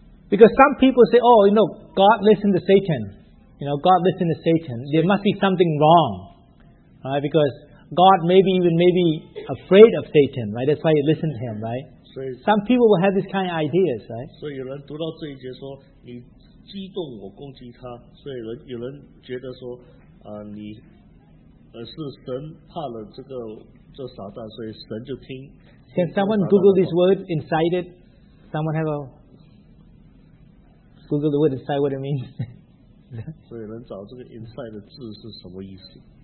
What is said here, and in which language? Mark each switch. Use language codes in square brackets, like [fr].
[en] Because some people say, oh, you know, God listened to Satan. You know, God listened to Satan. There must be something wrong. Right? Because God maybe afraid of Satan, right? That's why he listened to him, right? Some people will have this kind of ideas, right? [zh] 所以有人读到这一节说，你激动我攻击他。所以有人觉得说，你是神怕了这撒旦，所以神就听。 [en] Can someone Google this word, incited? Someone have a... Google the word inside what it means. [zh] 所以能找这个 inside 的字是什么意思？